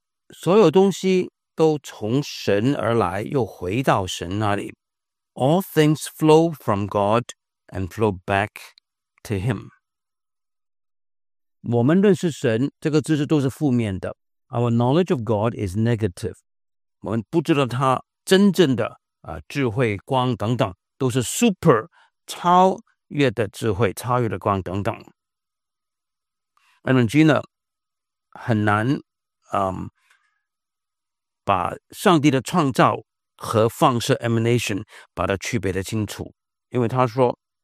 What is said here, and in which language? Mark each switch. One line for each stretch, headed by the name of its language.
Chinese: 所有东西都从神而来又回到神那里
English: All things flow from GodAnd flow back to him.
Chinese: 我们认识神，这个知识都是负面的。
English: Our knowledge of God is negative.
Chinese: 我们不知道他真正的智慧、光等等，都是 super 超越的智慧、超越的光等等。 Erigena 很难把上帝的创造和放射 emanation 把它区别的清楚，因为他说。